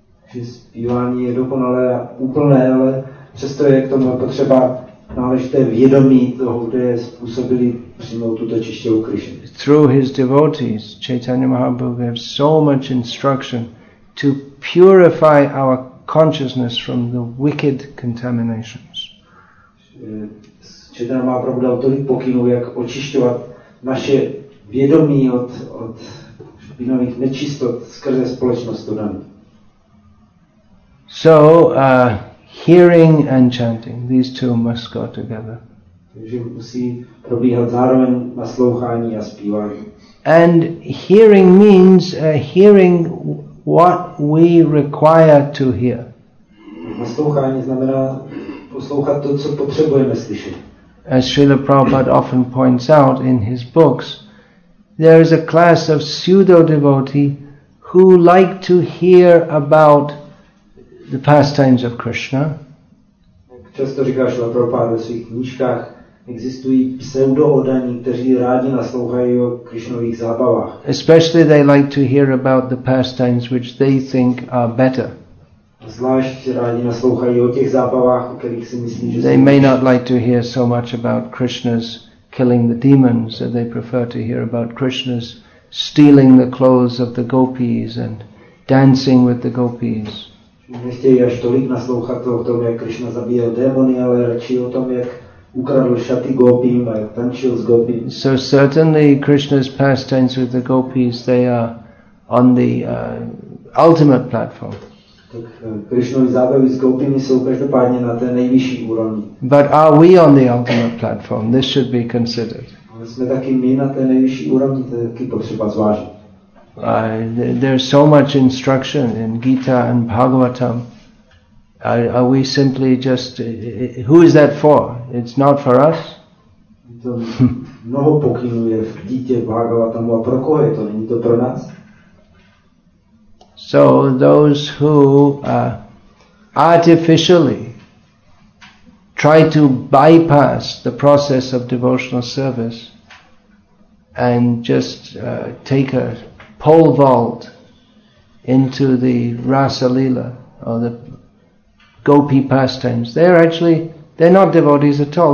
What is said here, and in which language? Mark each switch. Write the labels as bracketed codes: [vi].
[en] Through his devotees, Chaitanya Mahaprabhu gave so much instruction to purify our consciousness from the wicked contaminations. [cs] Chaitanya Mahaprabhu dal tolik pokynů, jak očišťovat naše vědomí od špinavých nečistot skrze společnost Dodani. [en] So, hearing and chanting, these two must go together. [cs] Takže musí probíhat zároveň naslouchání a zpívání. [en] And hearing means hearing what we require to hear. [cs] Naslouchání znamená poslouchat to, co potřebujeme slyšet. [en] As Srila Prabhupada often points out in his books, there is a class of pseudo-devotee who like to hear about the pastimes of Krishna. [cs] Často říká Srila Prabhupada ve svých knížkách, existují pseudo-oddaní, kteří rádi naslouchají o Krishnových zábavách. [en] Especially they like to hear about the pastimes which they think are better. [cs] Zvlášť rádi naslouchají o těch zábavách, o kterých si myslí, že [en] they may not like to hear so much about Krishna's killing the demons, that they prefer to hear about Krishna's stealing the clothes of the gopis and dancing with the gopis. [cs] Nechtějí až tolik naslouchat o tom, jak Krishna zabíjel démony, ale radši o tom, jak ukradl šaty gopím a jak tančil s gopím. [en] So certainly Krishna's pastimes with the gopis, they are on the ultimate platform. [cs] Tak Krishnovy zábavy s gopími jsou každopádně na té nejvyšší úrovni. [en] But are we on the ultimate platform? This should be considered. [cs] Ale jsme taky my na té nejvyšší úrovni, to je taky potřeba zvážit. [en] There's so much instruction in Gita and Bhagavatam. Are we simply just... who is that for? It's not for us. [cs] Mnoho pokynů je v Gita, Bhagavatamu a pro koho je to? Není to pro nás? [en] So those who artificially try to bypass the process of devotional service and just take a pole vault into the Rasa Leela or the gopi pastimes, they're not devotees at all.